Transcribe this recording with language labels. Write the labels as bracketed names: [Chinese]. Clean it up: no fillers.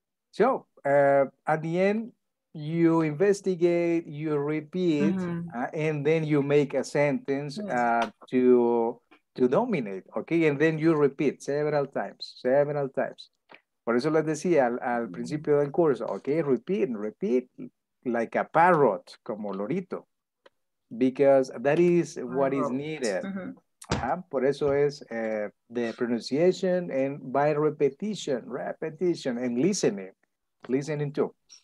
[English] So, at the end, you investigate, you repeat, mm-hmm. And then you make a sentence to dominate, okay? And then you repeat several times. [Spanish] Por eso les decía al principio del curso, okay, repeat. [English] Like a parrot, [Spanish] como lorito, [English] because that is what is needed. Mm-hmm. Uh-huh. [Spanish] Por eso es [English] the pronunciation and by repetition and listening too.